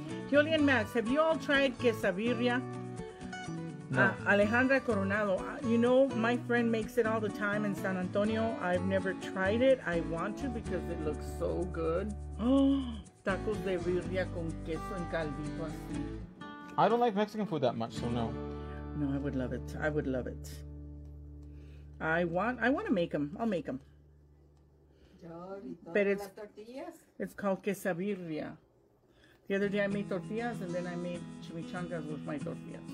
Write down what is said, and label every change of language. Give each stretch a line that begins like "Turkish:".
English: Yoli and Max, have you all tried quesabirria? No. Alejandra Coronado, you know, my friend makes it all the time in San Antonio. I've never tried it. I want to because it looks so good.
Spanish: Tacos de birria con queso en caldito así.
English: I don't like Mexican food that much, so no. No, I would love it. I would love it. I want to make them. I'll make them. But it's called quesabirria. The other day I made tortillas and then I made chimichangas with my tortillas.